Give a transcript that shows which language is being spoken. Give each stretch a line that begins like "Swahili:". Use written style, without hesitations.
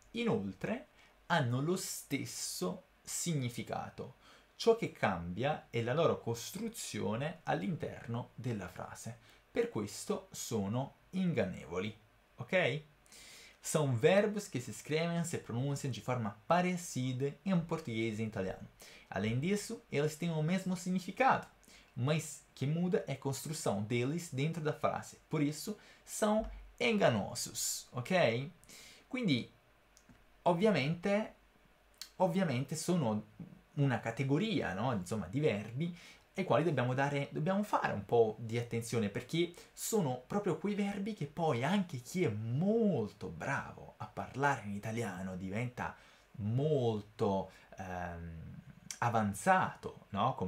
Italian: Inoltre, hanno lo stesso significato. Ciò che cambia è la loro costruzione all'interno della frase. Per questo sono ingannevoli. Ok?
Portuguese: São verbos que se escrevem, se pronunciam de forma parecida em português e italiano. Além disso, eles têm o mesmo significado, mas que muda é a construção deles dentro da frase. Por isso, são enganosos. Ok?
Italian: Quindi, ovviamente sono una categoria, no? Insomma, di verbi ai quali dobbiamo fare un po' di attenzione perché sono proprio quei verbi che poi anche chi è molto bravo a parlare in italiano diventa molto avanzato, no?